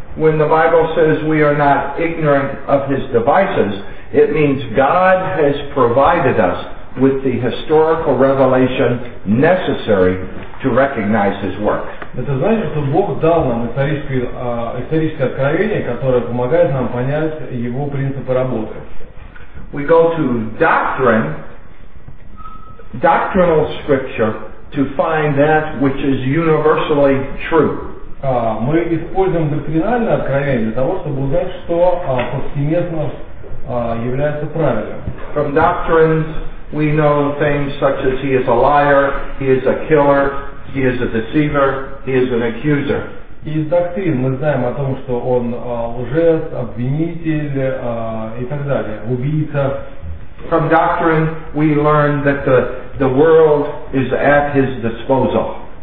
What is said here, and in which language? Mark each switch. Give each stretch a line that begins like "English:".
English: When the Bible says we are not ignorant of his devices, it means God has provided us with the historical revelation necessary to recognize his work.
Russian: Это значит, что Бог дал нам историческое откровение, которое помогает нам понять его принципы работы.
English: We go to doctrinal scripture to find that which is universally true.
Russian: Мы используем доктринальное откровение для того, чтобы узнать, что повсеместно является правильным.
English: From doctrines we know things such as he is a liar, he is a killer, he is a deceiver, he is an accuser.
Russian: Из доктрин мы знаем о том, что он лжец, обвинитель и так далее, убийца.
English: From doctrine we learn that the world is at his disposal.